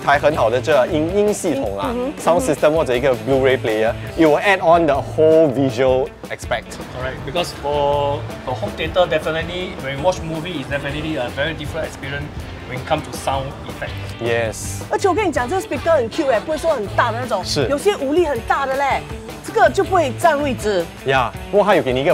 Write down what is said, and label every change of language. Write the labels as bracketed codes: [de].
[zh] 399现在原价399现在卖150。对，因为很多人都觉得嘛，家里如果有一台很好的电视的话呢，那最重要的另外一个就是，哎，可能呢，如果你有一台很好的这影音系统啊，sound [en] system [zh] 或者一个 [en] Blu-ray player， it will add on the whole visual aspect. Correct, because for home theater, definitely when you watch movie, it's definitely a very different experience. When come to sound effect, yes. [zh] 而且我跟你讲，这个 speaker 很 cute 哎，不会说很大的那种，是有些无力很大的嘞，这个就不会占位置。呀，不过它有给你一个